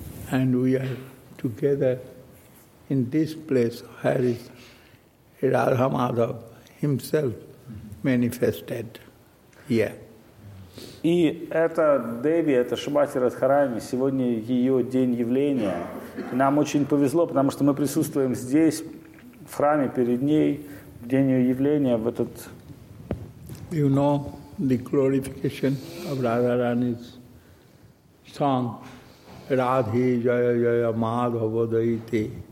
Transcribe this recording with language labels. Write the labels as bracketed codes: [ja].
[en] And we are together in this place where is Radha Madhav himself manifested here. [ru] И это Деви, это Шимати Радхарани, сегодня ее день явления. Нам очень повезло, потому что мы присутствуем здесь, в храме перед ней, в день ее явления, в этот... [en] You know the glorification of Radharani's song Radhe Jaya Jaya Madhava Daiti